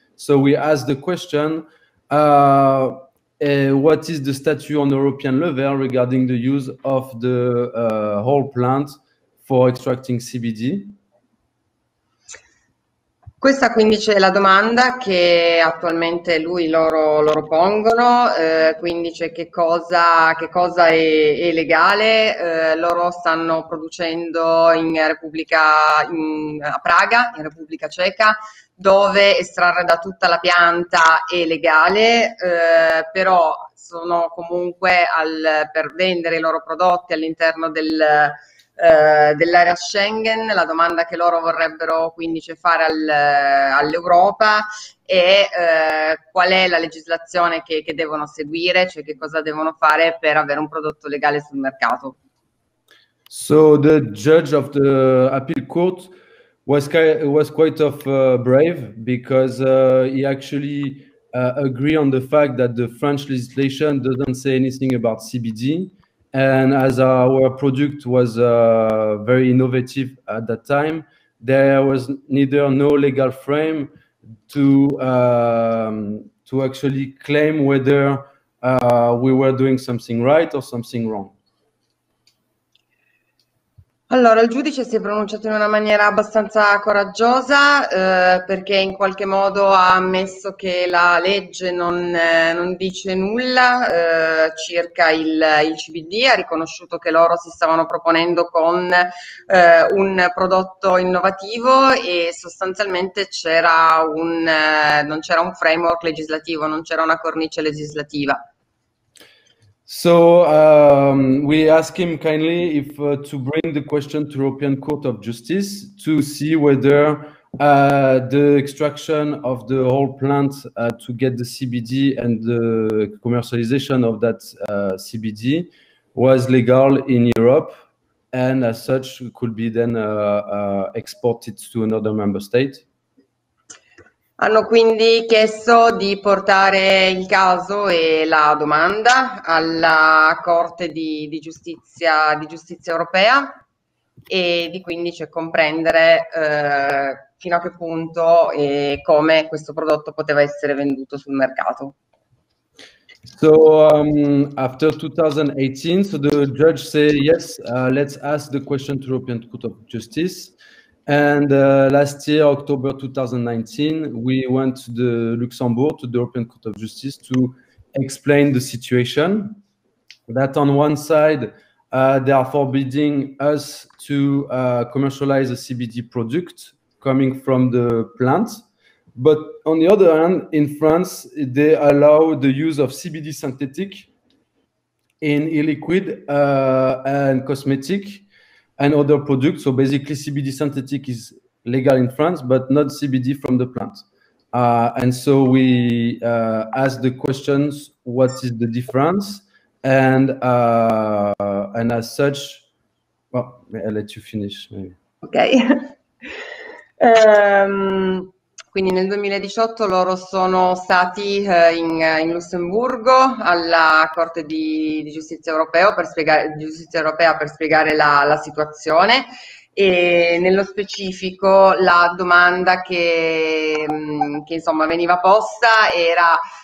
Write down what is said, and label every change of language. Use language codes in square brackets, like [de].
[en] So we asked the question, what is the statute on the European level regarding the use of the whole plant for extracting CBD? [it] Questa quindi c'è la domanda che attualmente loro pongono, quindi c'è che cosa è legale. Loro stanno producendo a Praga, in Repubblica Ceca, dove estrarre da tutta la pianta è legale, però sono comunque per vendere i loro prodotti all'interno dell'area Schengen. La domanda che loro vorrebbero quindi fare all'Europa è qual è la legislazione che devono seguire, cioè che cosa devono fare per avere un prodotto legale sul mercato. [en] So the judge of the appeal court was quite of brave, because he actually agreed on the fact that the French legislation doesn't say anything about CBD. And as our product was very innovative at that time, there was neither no legal frame to actually claim whether we were doing something right or something wrong. [it] Allora, il giudice si è pronunciato in una maniera abbastanza coraggiosa, perché in qualche modo ha ammesso che la legge non dice nulla circa il CBD, ha riconosciuto che loro si stavano proponendo con un prodotto innovativo e sostanzialmente non c'era un framework legislativo, non c'era una cornice legislativa. [en] So we asked him kindly if to bring the question to European Court of Justice to see whether the extraction of the whole plant to get the CBD and the commercialization of that CBD was legal in Europe, and as such could be then exported to another member state. [it] Hanno quindi chiesto di portare il caso e la domanda alla Corte di giustizia europea, e di quindi cioè, comprendere fino a che punto e come questo prodotto poteva essere venduto sul mercato. [en] So after 2018, so the judge say yes, let's ask the question to European Court of Justice. And last year, October 2019, we went to the Luxembourg, to the European Court of Justice, to explain the situation. That on one side, they are forbidding us to commercialize a CBD product coming from the plant. But on the other hand, in France, they allow the use of CBD synthetic in e-liquid and cosmetic and other products. So basically, CBD synthetic is legal in France, but not CBD from the plant. And so we asked the questions, what is the difference? And as such, well, I'll let you finish. Maybe. Okay. [it] Quindi nel 2018 loro sono stati in Lussemburgo alla Corte di Giustizia Europea per spiegare, la situazione, e nello specifico la domanda che insomma veniva posta era